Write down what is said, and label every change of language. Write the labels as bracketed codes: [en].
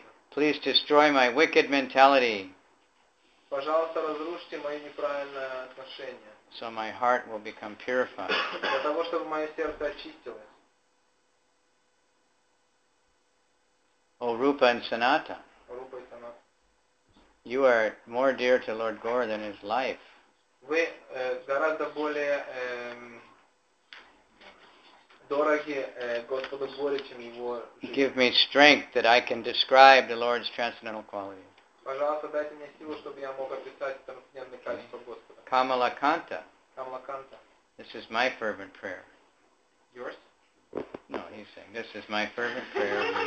[en] Please destroy my wicked mentality. [ru] Пожалуйста, разрушьте мои неправильные отношения. [en] So my heart will become purified. [ru] Для того, чтобы мое сердце очистилось. О Рупа и Саната. [en] You are more dear to Lord Gaura than his life. [ru] Вы гораздо более дороги Господу Горе, чем его жизнь. [en] Give me strength that I can describe the Lord's transcendental qualities. [ru] Пожалуйста, дайте мне силу, чтобы я мог описать трансцендентные качества Господа. Камалаканта. [en] This is my fervent prayer. Yours? No, he's saying, this is my fervent prayer.